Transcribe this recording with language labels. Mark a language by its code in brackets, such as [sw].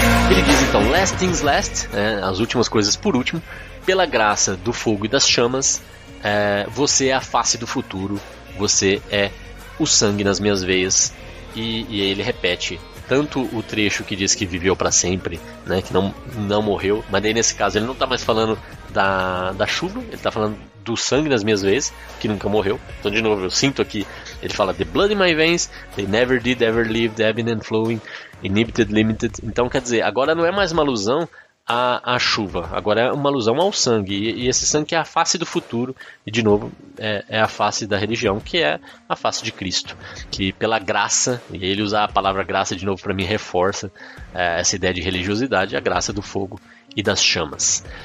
[pt] Ele diz então, [en] last things last, [pt] as últimas coisas por último, pela graça do fogo e das chamas, você é a face do futuro, você é o sangue nas minhas veias. E aí ele repete tanto o trecho que diz que viveu para sempre, né, que não morreu, mas aí nesse caso ele não tá mais falando da chuva, ele tá falando do sangue nas minhas veias, que nunca morreu. Então de novo, eu sinto aqui, ele fala [en] the blood in my veins, they never did ever live, ebbing and flowing, inhibited, limited. [pt] Então quer dizer, agora não é mais uma alusão à chuva, agora é uma alusão ao sangue, e esse sangue é a face do futuro, e de novo é a face da religião, que é a face de Cristo, que pela graça, e ele usar a palavra graça de novo para mim reforça essa ideia de religiosidade, a graça do fogo e das chamas.